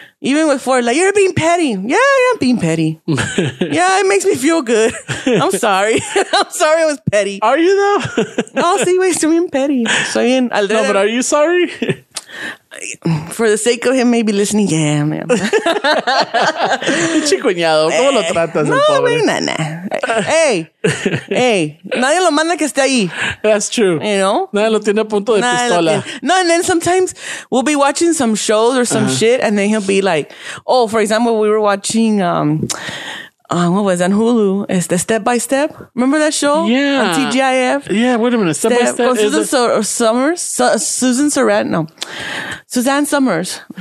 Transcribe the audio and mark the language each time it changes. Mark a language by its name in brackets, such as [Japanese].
[English] Even with Ford, like, you're being petty. Yeah, I am being petty. Yeah, it makes me feel good. I'm sorry. I'm sorry I was petty. Are you though? No, see, wait, so I'm petty. So in, I no, but are you sorry? For the sake of him maybe listening, yeah, man. [Spanish] Pinche cuñado, ¿cómo lo tratas? No, güey, nana. Hey, hey, nadie lo manda que esté ahí. [English] That's true. You know? [Spanish] Nadie lo tiene a punto de nadie pistola. [English] No, and then sometimes we'll be watching some shows or some shit, and then he'll be like, oh, for example, we were watching, what was on Hulu? It's the Step by Step. Remember that show? Yeah. On TGIF? Yeah, wait a minute. Step by Step. Oh, Susan Susan Sarandon. No. Suzanne Summers.